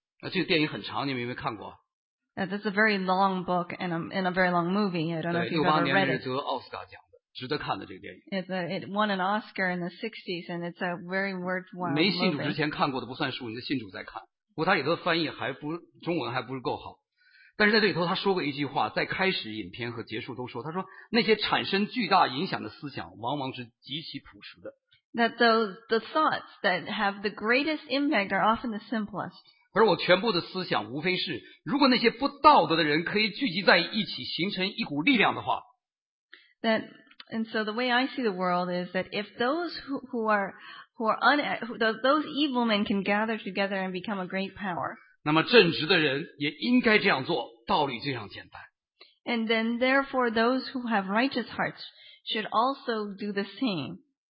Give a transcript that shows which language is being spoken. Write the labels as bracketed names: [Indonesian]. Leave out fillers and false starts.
[Chinese] 这个电影很长, 你们有没有看过? [English] That's a very long book and a very long movie. I don't know if you've ever read it. [Chinese] 值得看的这个电影 [English] It won an Oscar in the 60s and it's a very worthwhile [Chinese] 没信主之前看过的不算数 你的信主在看 不过他里头翻译还不中文还不是够好 但是在这里头他说过一句话 在开始影片和结束都说 他说 那些产生巨大影响的思想 往往是极其朴实的 [English] That the thoughts that have the greatest impact are often the simplest [Chinese] 而我全部的思想 无非是 如果那些不道德的人可以聚集在一起 形成一股力量的话 [English] And so the way I see the world is that if those those evil men can gather together and become a great power, [Chinese] 那么正直的人也应该这样做, 道理就这样简单。 [English] And then therefore those who have righteous hearts should also do the same.